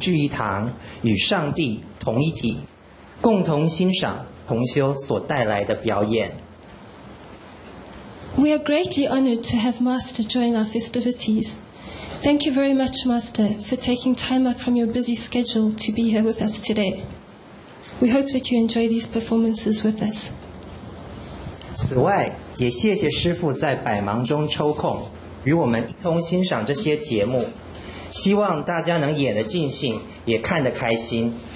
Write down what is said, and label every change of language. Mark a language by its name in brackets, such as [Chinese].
[Chinese] 中秋节是亲友团圆的大好日子，大家心心相系，同享月饼，共度婵娟。今天我们有幸与师兄师姐同聚一堂，与上帝同一体。 [English] We are greatly honored to have Master join our festivities. Thank you very much, Master, for taking time out from your busy schedule to be here with us today. We hope that you enjoy these performances with us. [Chinese] 此外，也谢谢师父在百忙中抽空与我们一同欣赏这些节目，希望大家能演得尽兴，也看得开心。